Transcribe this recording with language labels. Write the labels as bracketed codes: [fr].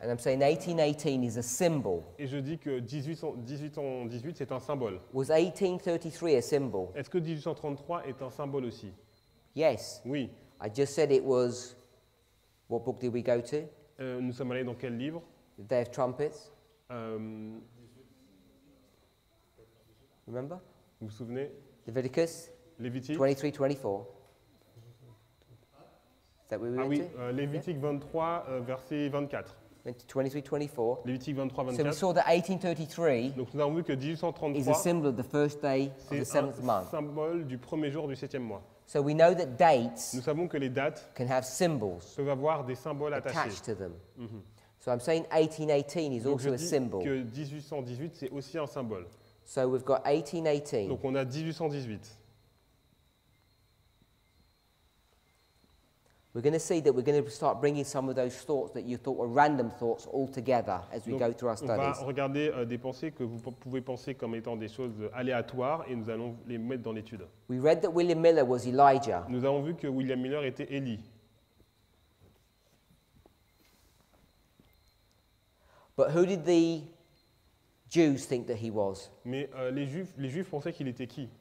[en] And I'm saying 1818 is a symbol. [fr] Et je dis que 1818 c'est un symbole. [en] Was 1833 a symbol? [fr] Est-ce que 1833 est un symbole aussi? [en] Yes. [fr] Oui. [en] I just said it was. What book did we go to? [fr] Nous sommes allés dans quel livre? [en] The Day of Trumpets. Remember? [fr] Vous vous souvenez? [en] Leviticus. [fr] Lévitique. 23:24. Ah oui, Lévitique 23, verset 24. 23-24. Lévitique 23-24. [en] So we saw that 1833. [fr] Donc nous avons vu que 1833 [en] is a symbol of the first day of the seventh month. [fr] C'est un symbole du premier jour du septième mois. [en] So we know that dates. [fr] Nous savons que les dates [en] can have symbols [fr] peuvent avoir des symboles [en] attached [fr] attachés. [en] To them. Mm-hmm. So I'm saying 1818 is [fr] donc [en] also a symbol. [fr] Donc je dis que 1818 c'est aussi un symbole. [en] So we've got 1818. [fr] Donc on a 1818. [en] We're going to see that we're going to start bringing some of those thoughts that you thought were random thoughts all together as we [fr] donc, [en] go through our studies. [fr] On va regarder des pensées que vous pouvez penser comme étant des choses aléatoires et nous allons les mettre dans l'étude. [en] We read that William Miller was Elijah. [fr] Nous avons vu que William Miller était Élie. [en] But who did the Jews think that he was? [fr] Mais les Juifs pensaient qu'il était qui?